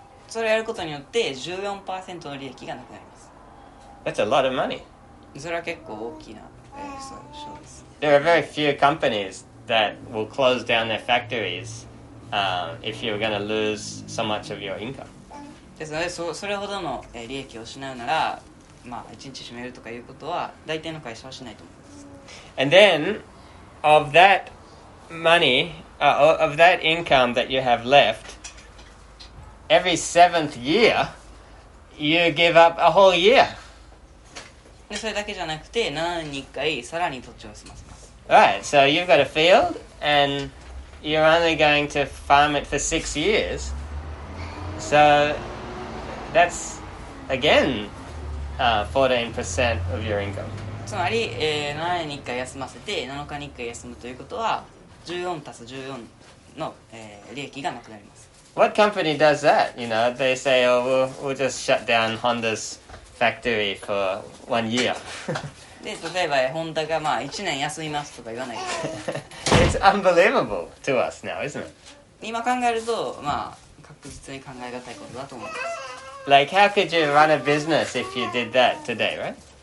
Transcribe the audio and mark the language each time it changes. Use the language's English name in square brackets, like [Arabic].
[English] That's a lot of money. There are very few companies that will close down their factories, if you're going to lose so much of your income. [Japanese] ですので、それほどの利益を失うなら、まあ、一日閉めるとかいうことは、大抵の会社はしないと思います。 [English] And then, of that money, of that income that you have left, every seventh year, you give up a whole year. [Japanese] で、それだけじゃなくて、7年に1回、さらに土地を済ませます。 [English] Right, so you've got a field, and you're only going to farm it for 6 years. So... That's again 14% of your income. [Japanese] つまり、7年に1回休ませて7日に1回休むということは 14+14 の、利益がなくなります。 [English] What company does that? You know, they say, oh, we'll just shut down Honda's factory for 1 year. [Japanese] で、例えば、ホンダがまあ1年休みますとか言わないと。 [English] It's unbelievable to us now, isn't it? [Japanese] 今考えると、まあ、確実に考えがたいことだと思います。 [English] Like, how could you run a business if you did that today, right?